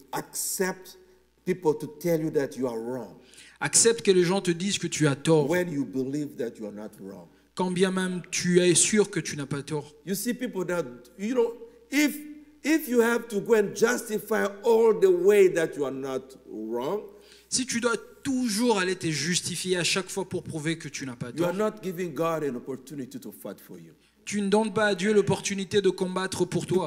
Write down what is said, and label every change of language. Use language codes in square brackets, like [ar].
[en] Accept people to tell you that you are wrong. [fr] Accepte que les gens te disent que tu as tort. [en] When you believe that you are not wrong. [fr] Quand bien même tu es sûr que tu n'as pas tort. [en] You see people that you know if you have to go and justify all the way that you are not wrong. [fr] Si tu dois toujours aller te justifier à chaque fois pour prouver que tu n'as pas tort. [en] You are not giving God an opportunity to fight for you. [fr] Tu ne donnes pas à Dieu l'opportunité de combattre pour toi.